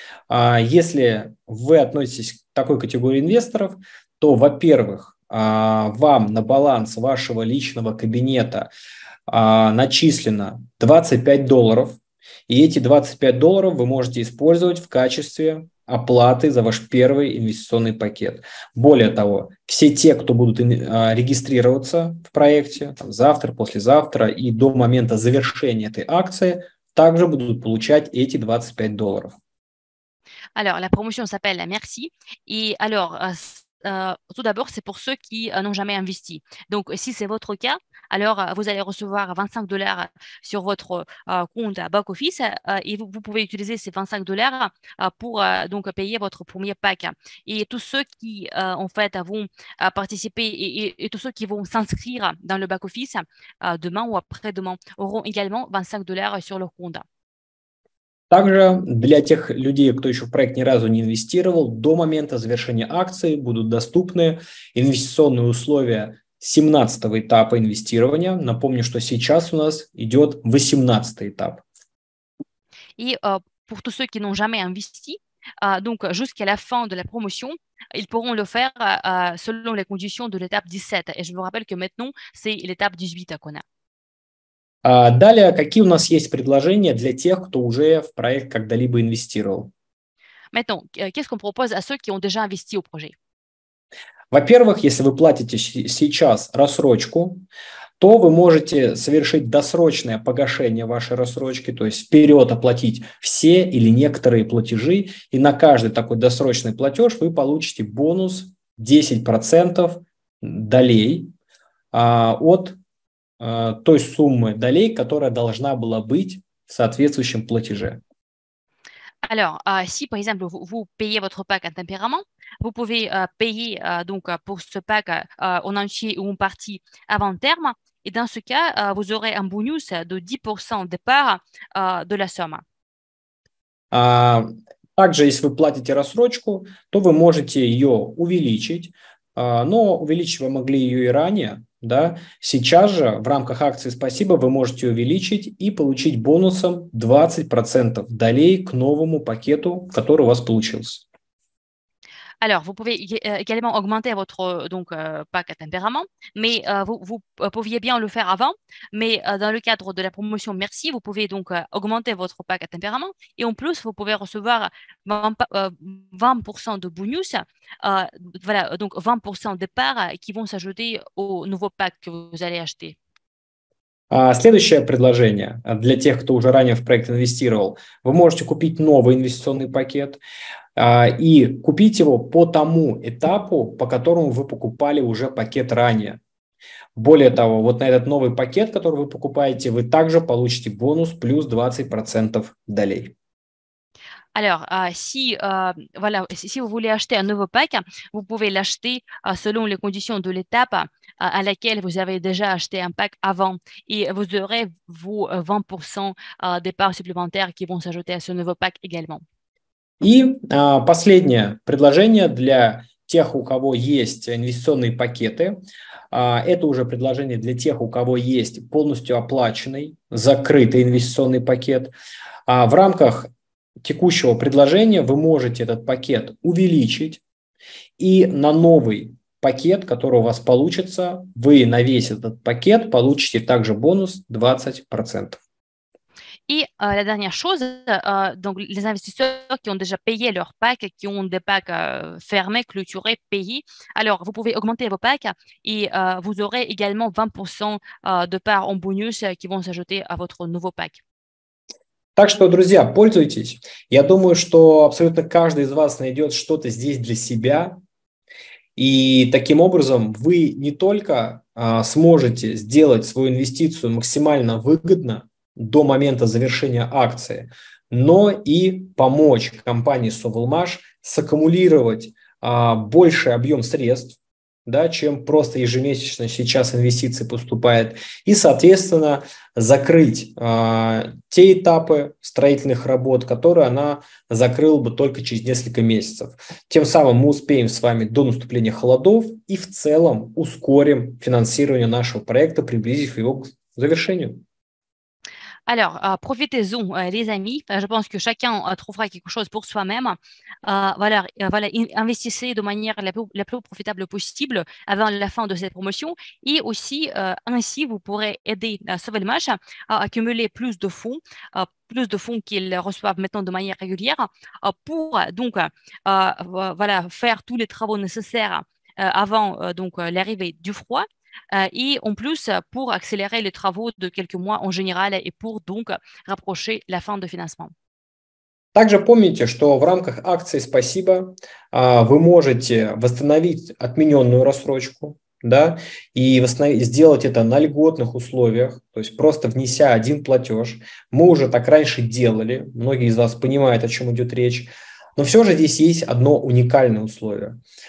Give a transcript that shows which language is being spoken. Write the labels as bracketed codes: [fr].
[ru] Если вы относитесь к такой категории инвесторов, то, во-первых, вам на баланс вашего личного кабинета начислено $25, и эти $25 вы можете использовать в качестве оплаты за ваш первый инвестиционный пакет. Более того, все те, кто будут регистрироваться в проекте там, завтра, послезавтра и до момента завершения этой акции, также будут получать эти $25. [fr] Alors, la promotion s'appelle Merci. Et alors, tout d'abord, c'est pour ceux qui n'ont jamais investi. Donc, si c'est votre cas, alors vous allez recevoir $25 sur votre compte back office et vous pouvez utiliser ces $25 pour donc payer votre premier pack. Et tous ceux qui, en fait, vont participer et tous ceux qui vont s'inscrire dans le back office demain ou après-demain auront également $25 sur leur compte. [ru] Также для тех людей, кто еще в проект ни разу не инвестировал, до момента завершения акции будут доступны инвестиционные условия 17-го этапа инвестирования. Напомню, что сейчас у нас идет 18-й этап. И [fr] pour tous ceux qui n'ont jamais investi, donc jusqu'à la fin de la promotion, ils pourront le faire selon les conditions de l'étape 17. Et je vous rappelle que maintenant, c'est l'étape 18 qu'on a. [ru] Далее, какие у нас есть предложения для тех, кто уже в проект когда-либо инвестировал? [fr] Maintenant, qu'est-ce qu'on propose à ceux qui ont déjà investi au projet? [ru] Во-первых, если вы платите сейчас рассрочку, то вы можете совершить досрочное погашение вашей рассрочки, то есть вперед оплатить все или некоторые платежи, и на каждый такой досрочный платеж вы получите бонус 10% долей от той суммы долей, которая должна была быть в соответствующем платеже. [fr] Alors, si par exemple vous payez votre pack intempérément, vous pouvez payer donc pour ce pack en entier ou en partie avant terme, et dans ce cas, vous aurez un bonus de 10% de part de la somme. [ru] Также, если вы платите рассрочку, то вы можете ее увеличить, но увеличить вы могли ее и ранее, да? Сейчас же в рамках акции «Спасибо» вы можете увеличить и получить бонусом 20% долей к новому пакету, который у вас получился. [fr] Alors, vous pouvez également augmenter votre donc pack à tempérament, mais vous pouviez bien le faire avant. Mais dans le cadre de la promotion Merci, vous pouvez donc augmenter votre pack à tempérament et en plus vous pouvez recevoir 20% de bonus. Voilà, donc 20% de parts qui vont s'ajouter au nouveau pack que vous allez acheter. [ru] Следующее предложение для тех, кто уже ранее в проект инвестировал. Вы можете купить новый инвестиционный пакет и купить его по тому этапу, по которому вы покупали уже пакет ранее. Более того, вот на этот новый пакет, который вы покупаете, вы также получите бонус плюс 20% долей. [fr] Alors, si vous voulez acheter un nouveau pack, vous pouvez l'acheter selon les conditions de l'étape à laquelle vous avez déjà acheté un pack avant et vous aurez vos 20% des parts supplémentaires qui vont s'ajouter à ce nouveau pack également. [ru] И последнее предложение для тех, у кого есть инвестиционные пакеты. Это уже предложение для тех, у кого есть полностью оплаченный, закрытый инвестиционный пакет. В рамках текущего предложения вы можете этот пакет увеличить, и на новый пакет, который у вас получится, вы на весь этот пакет получите также бонус 20%. И [fr] la dernière chose, donc les investisseurs qui ont déjà payé leur pack, qui ont des packs fermés, clôturés, payés, alors vous pouvez augmenter vos packs et vous aurez également 20% de parts en bonus qui vont s'ajouter à votre nouveau pack. [ru] Так что, друзья, пользуйтесь. Я думаю, что абсолютно каждый из вас найдет что-то здесь для себя. И таким образом вы не только сможете сделать свою инвестицию максимально выгодно до момента завершения акции, но и помочь компании Sovelmash саккумулировать больший объем средств, да, чем просто ежемесячно сейчас инвестиции поступают, и, соответственно, закрыть те этапы строительных работ, которые она закрыла бы только через несколько месяцев. Тем самым мы успеем с вами до наступления холодов и в целом ускорим финансирование нашего проекта, приблизив его к завершению. [fr] Alors, profitez-en, les amis. Je pense que chacun trouvera quelque chose pour soi-même. Voilà, investissez de manière la plus profitable possible avant la fin de cette promotion. Et aussi, ainsi, vous pourrez aider Sovelmash à accumuler plus de fonds qu'ils reçoivent maintenant de manière régulière, pour donc faire tous les travaux nécessaires avant donc l'arrivée du froid. Et en plus, pour accélérer les travaux de quelques mois en général et pour donc rapprocher la fin de financement. [ru] Также помните, что в рамках акции «Спасибо» вы можете восстановить отмененную рассрочку, да, и сделать это на льготных условиях, то есть просто внеся один платеж. Мы уже так раньше делали, многие из вас понимают, о чем идет речь, но все же здесь есть одно уникальное условие.